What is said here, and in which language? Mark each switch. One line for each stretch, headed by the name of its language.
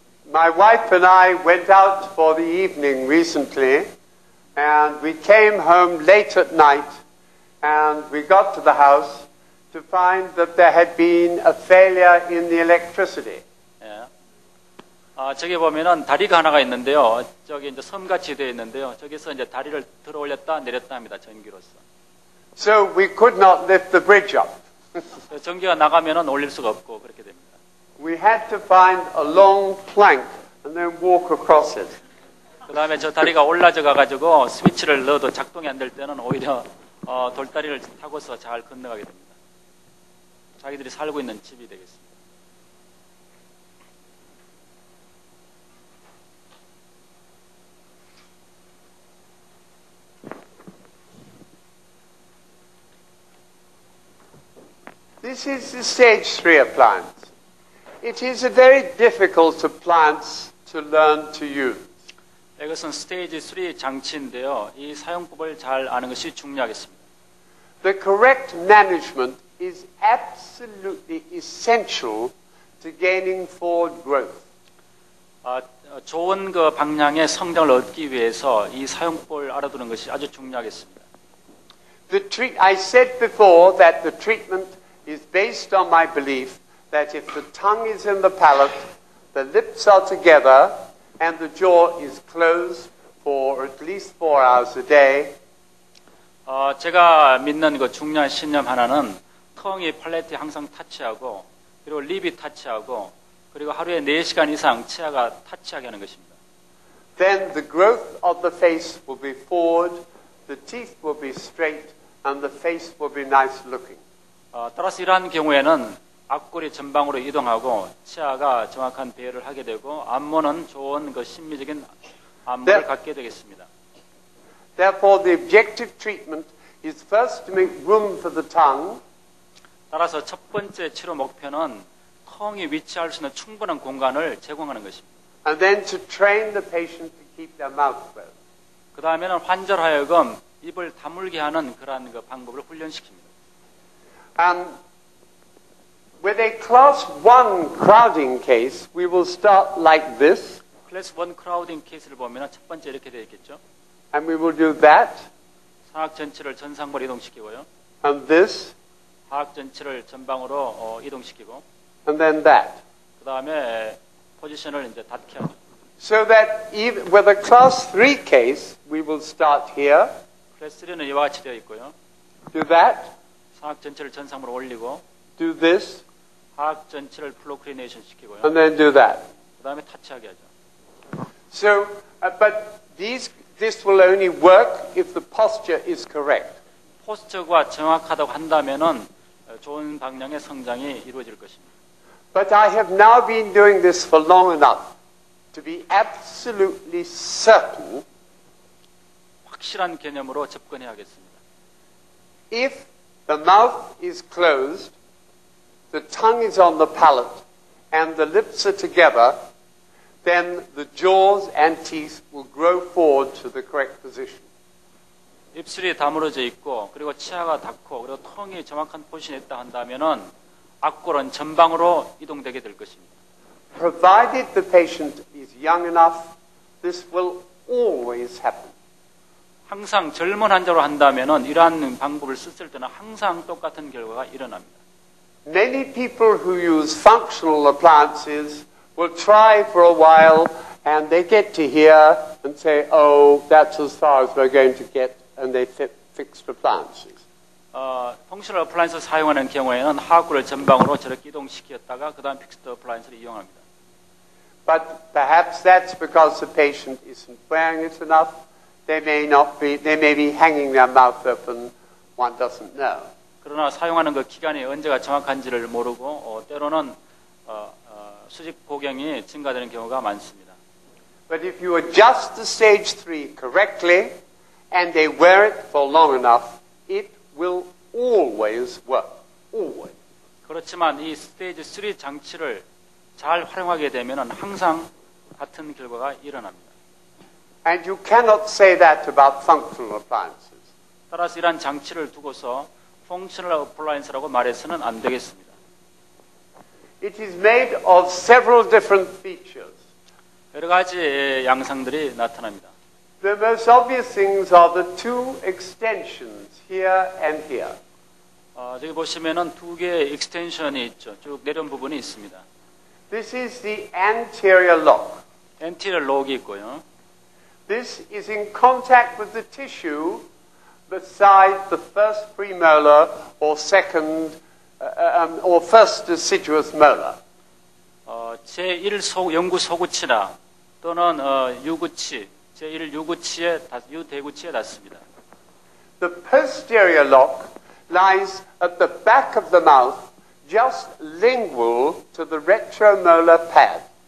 English: My wife and I went out for the evening recently, and we came home late at night, and we got to the house to find that there had been a failure in the electricity.
Korean: 저기 보면은 다리가 하나가 있는데요. 저기 이제 섬같이 되어 있는데요. 저기서 이제 다리를 들어 올렸다 내렸다 합니다. 전기로서.
English: So we could not lift the bridge up.
Korean: 전기가 나가면은 올릴 수가 없고 그렇게 됩니다.
English: We had to find a long plank and then walk across it.
Korean: 그다음에 저 다리가 올라져가 가지고 스위치를 넣어도 작동이 안 될 때는 오히려 돌다리를 타고서 잘 건너가게 됩니다. 자기들이 살고 있는 집이 되겠습니다.
English: This is the stage 3 appliance. It is a very difficult appliance to learn to use.
Korean: 이것은 스테이지 3 장치인데요. 이 사용법을 잘 아는 것이 중요하겠습니다.
English: The correct management is absolutely essential to gaining forward growth.
Korean: 좋은 그 방향의 성장을 얻기 위해서 이 사용법을 알아두는 것이 아주 중요하겠습니다.
English: I said before that the treatment is based on my belief that if the tongue is in the palate, the lips are together, and the jaw is closed for at least 4 hours a day.
Korean: 제가 믿는 그 중요한 신념 하나는 텅이 팔레트에 항상 터치하고 그리고 립이 터치하고 그리고 하루에 4시간 이상 치아가 터치하게 하는 것입니다.
English: Then the growth of the face will be forward, the teeth will be straight, and the face will be nice looking.
Korean: 따라서 이러한 경우에는 앞골이 전방으로 이동하고 치아가 정확한 배열을 하게 되고 안무는 좋은 그 심미적인 안무를 갖게 되겠습니다.
English: Therefore, the objective treatment is first to make room for the tongue.
Korean: 따라서 첫 번째 치료 목표는 턱이 위치할 수 있는 충분한 공간을 제공하는 것입니다.
English: And then to train the patient to keep their mouth closed.
Korean: 그 다음에는 환자를 하여금 입을 다물게 하는 그러한 그 방법을 훈련시킵니다.
English: With a class 1 crowding case, we will start like this.
Korean: 클래스 1 crowding case를 보면 첫 번째 이렇게 되어 있겠죠.
English: And we will do that.
Korean: 상악 전체를 전상으로 이동시키고요.
English: And this.
Korean: 하악 전체를 전방으로 이동시키고.
English: And then that.
Korean: 그 다음에 포지션을 이제 닫게 하죠.
English: So that even with a class 3 case, we will start here.
Korean: 클래스 3는 이와 같이 되어 있고요.
English: Do that.
Korean: 상악 전체를 전상으로 올리고.
English: Do this.
Korean: 하악 전체를 플로크리네이션 시키고요.
English: And then do that.
Korean: 그 다음에 터치하게 하죠.
English: So, but this will only work if the posture is correct.
Korean: 포스처가 정확하다고 한다면은 좋은 방향의 성장이 이루어질 것입니다.
English: But I have now been doing this for long enough to be absolutely certain.
Korean: 확실한 개념으로 접근해야겠습니다.
English: If the mouth is closed, the tongue is on the palate, and the lips are together, then the jaws and teeth will grow forward to the correct position.
Korean: 입술이 다물어져 있고 그리고 치아가 닿고 그리고 턱이 정확한 포지션에 있다 한다면은 앞골은 전방으로 이동되게 될 것입니다.
English: Provided the patient is young enough, this will always happen.
Korean: 항상 젊은 환자로 한다면은 이러한 방법을 썼을 때는 항상 똑같은 결과가 일어납니다.
English: Many people who use functional appliances will try for a while and they get to here and say, "Oh, that's as far as we're going to get." And they fix the appliances.
Korean: 펑셔널 어플라이언스 사용하는 경우에는 하악골을 전방으로 저렇게 이동시켰다가 그다음 픽스드 어플라이언스를 이용합니다.
English: But perhaps that's because the patient isn't wearing it enough. They may be hanging their mouth open. One doesn't know.
Korean: 그러나 사용하는 그 기간이 언제가 정확한지를 모르고 때로는 수직 복경이 증가되는 경우가 많습니다.
English: But if you adjust the stage 3 correctly. And they wear it for long enough, it will always work. Always.
Korean: 그렇지만 이 스테이지 3 장치를 잘 활용하게 되면은 항상 같은 결과가 일어납니다.
English: And you cannot say that about functional appliances.
Korean: 따라서 이런 장치를 두고서 functional appliance라고 말해서는 안 되겠습니다.
English: It is made of several different features.
Korean: 여러 가지 양상들이 나타납니다.
English: The most obvious things are the two extensions here and here.
Korean: 여기 보시면은 두 개의 extension이 있죠. 쭉 내려온 부분이 있습니다.
English: This is the anterior lock.
Korean: Anterior lock이 있고요.
English: This is in contact with the tissue beside the first premolar or second or first deciduous molar.
Korean: 제1소 연구 소구치나 또는 유구치 제1 유구치에 유대구치에 닿습니다.
English: The posterior lock lies at the back of the mouth, just lingual to the retromolar pad.